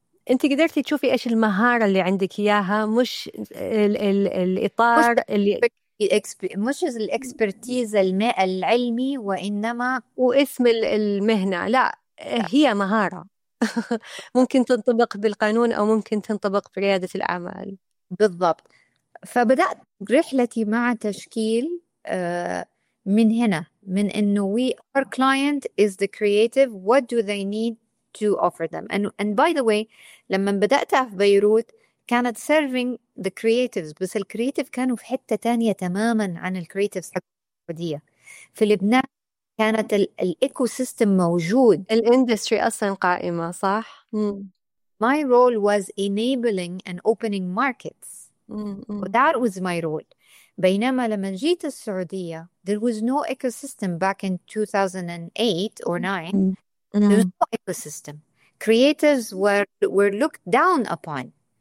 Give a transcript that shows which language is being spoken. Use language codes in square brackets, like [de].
[ar] أنت قدرتي تشوفي إيش المهارة اللي عندك إياها، مش الـ الإطار مش الإكسبرتيز العلمي، وإنما واسم المهنة، لا هي مهارة ممكن تنطبق بالقانون أو ممكن تنطبق في ريادة الأعمال. بالضبط. فبدأت رحلتي مع تشكيل من هنا، من إنه [en] we our client is the creative, what do they need to offer them. And by the way، [ar] لما بدأتها في بيروت كانت [en] serving the creatives، [ar] بس الكرياتيف كانوا في حتة تانية تماماً عن الكرياتيفز السعودية. في لبنان كانت الإيكو سيستم موجود، الاندستري أصلاً قائمة صح؟ [en] my role was enabling and opening markets that was my role. [ar] بينما لما جيت السعودية [en] there was no ecosystem back in 2008 or 9. There was no ecosystem. Creatives were looked down upon.